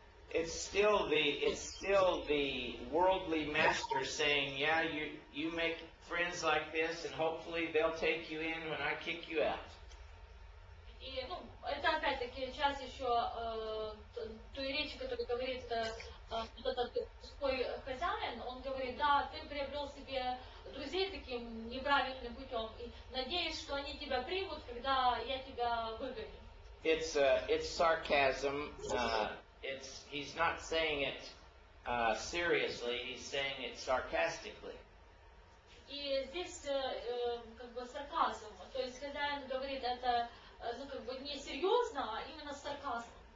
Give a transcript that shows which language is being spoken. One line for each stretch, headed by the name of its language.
English: It's still the worldly master saying, "Yeah, you make friends like this, and hopefully they'll take you in when I kick you out."
Russian: И, ну, это опять-таки часть еще той речи, которую говорит этот свой хозяин. Он говорит, да, ты приобрел себе друзей таким неправильным путем и надеюсь, что они тебя примут, когда я тебя выгоню.
English: It's sarcasm. He's not saying it seriously, he's saying it sarcastically.
Russian: И здесь как бы сарказм. То есть хозяин говорит это ну, как бы не серьезно, а именно сарказм.